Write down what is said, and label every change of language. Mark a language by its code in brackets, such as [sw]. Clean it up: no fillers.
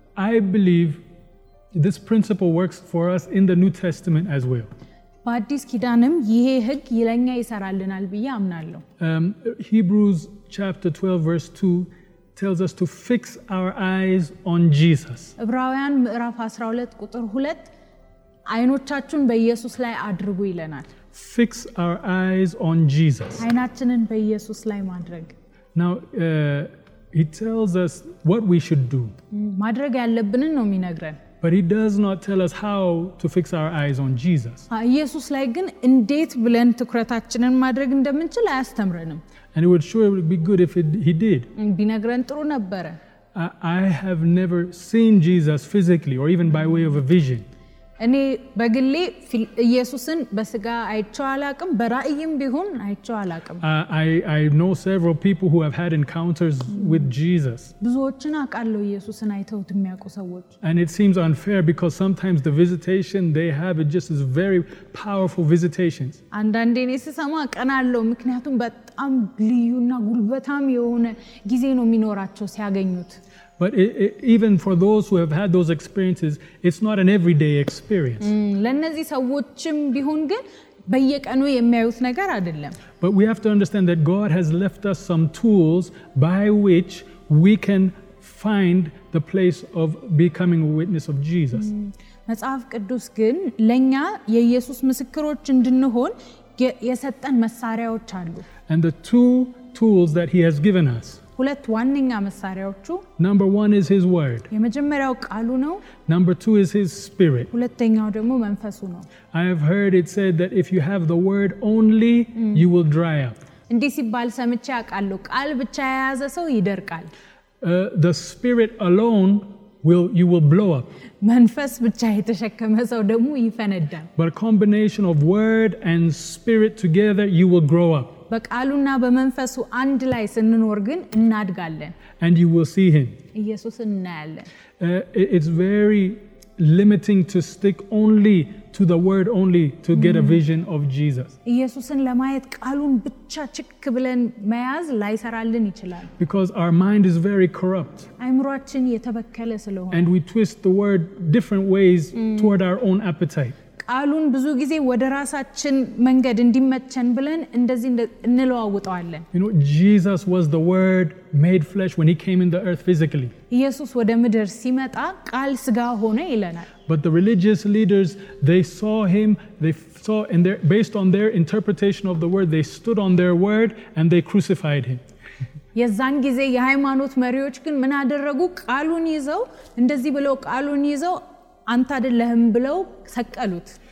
[en] I believe this principle works for us in the New Testament as well. [am] በአዲስ ኪዳንም ይሄ ህግ ለኛ ይሰራልናል ብዬ አምናለሁ። [en] Hebrews chapter 12 verse 2 tells us to fix our eyes on Jesus. [am] ዕብራውያን ምዕራፍ 12 ቁጥር 2 አይኖቻችሁን በኢየሱስ ላይ አድርጉ ይለናል. [en] Fix our eyes on Jesus. [am] አይናችንን በኢየሱስ ላይ ማድረግ. [en] Now he tells us what we should do. [am] ማድረግ ያለብንን ነው የሚነግረን. [en] But he does not tell us how to fix our eyes on Jesus. [am] ኢየሱስ ላይ ግን እንዴት ብለን ትኩረታችንን ማድረግ እንደምንችል አያስተምረንም. [en] And it would sure be good if he did. [am] ቢነግረን ጥሩ ነበር. [en] I have never seen Jesus physically or even by way of a vision. [am] እኔ በግሌ ኢየሱስን በስጋ አይቼው አላቅም በራእይም ቢሆን አይቼው አላቅም. [en] I know several people who have had encounters with Jesus. [am] ብዙዎችን አቃለው ኢየሱስን አይተውት የሚያውቁ ሰዎች. [en] And it seems unfair because sometimes the visitation they have it just is very powerful visitations. [am] አንዳንዴ እስሰማ ቀናለው ምክንያቱም በጣም ልዩና ጉልበታም የሆነ ጊዜ ነው የሚኖራቸው ሲያገኙት. [en] But even for those who have had those experiences, it's not an everyday experience. [am] ለነዚህ ሰዎችም ቢሆን ግን በየቀኑ የሚያዩት ነገር አይደለም. [en] But we have to understand that God has left us some tools by which we can find the place of becoming a witness of Jesus. [am] መጽሐፍ ቅዱስ ግን ለኛ የኢየሱስ ምስክሮች እንድንሆን የሰጠን መሳሪያዎች አሉ. [en] And the two tools that he has given us. [am] ሁለት ዋንኛ መሳሪያዎቹ [en] Number 1 is his word. [am] የመጀመሪያው ቃሉ ነው. [en] Number 2 is his spirit. [am] ሁለተኛው ደግሞ መንፈሱ ነው. [en] I have heard it said that if you have the word only you will dry up. [am] እንዲህ ሲባል ሰምቼ አውቃለሁ ቃል ብቻ የያዘ ሰው ይደርቃል. [en] The spirit alone you will blow up. [am] መንፈስ ብቻ የተሸከመ ሰው ደግሞ ይፈነዳል. [en] But a combination of word and spirit together you will grow up. [am] በቃሉና በመንፈሱ አንድ ላይ ስንኖር ግን እናድጋለን. [en] And you will see him. [am] ኢየሱስን እናያለን. [en] It's very limiting to stick only to the word only to get a vision of Jesus. [am] ኢየሱስን ለማየት ቃሉን ብቻ ችክ ብለን መያዝ ላይሰራልን ይችላል. [en] Because our mind is very corrupt. [am] አይምሯችን የተበከለ ስለሆነ. [en] And we twist the word different ways toward our own appetite. [am] አሉን ብዙ ጊዜ ወደ ራሳችን መንገድ እንዲመቸን ብለን እንደዚህ እንለዋውጣለን. [en] You know Jesus was the word made flesh when he came in the earth physically. [am] ኢየሱስ ወደ ምድር ሲመጣ ቃል ስጋ ሆነ ይለናል. [en] But the religious leaders they saw him they saw and they based on their interpretation of the word they stood on their word and they crucified him. [am] የዛን ጊዜ የሃይማኖት መሪዎች ግን ምን አደረጉ? ቃሉን ይዘው እንደዚህ ብለው ቃሉን ይዘው አንተ አይደለህም ብለው ሰቀሉት.